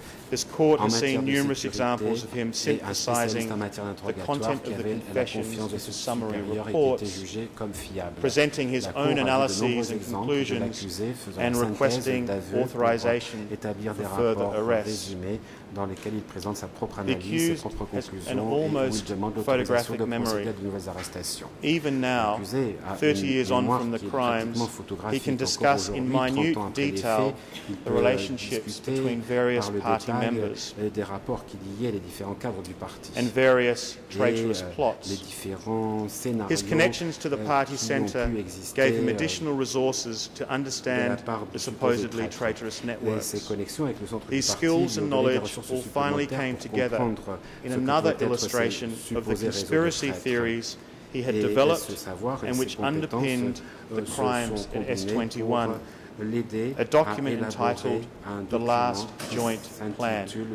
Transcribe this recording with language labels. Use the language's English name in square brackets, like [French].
[English] This court has seen numerous examples of him synthesizing the content of the confessions into summary reports, presenting his own analyses and conclusions, and requesting authorization for further arrest. [French] Dans lesquels il présente sa propre analyse, ses propres conclusions et il demande l'autorisation de procéder à de nouvelles arrestations. [English] Even now, 30 years on from the crimes, he can discuss in minute detail the relationships between various party members [French] et des rapports qui liaient les différents cadres du parti [English] and various traitorous plots. [French] Les différents scénarios. [English] His connections to the party center gave him additional resources to understand the supposedly traitorous networks. [French] Ses connexions avec le centre du parti. [English] His skills and knowledge all finally came together in another illustration of the conspiracy theories he had developed and which underpinned the crimes in S21, a document entitled The Last Joint Plan.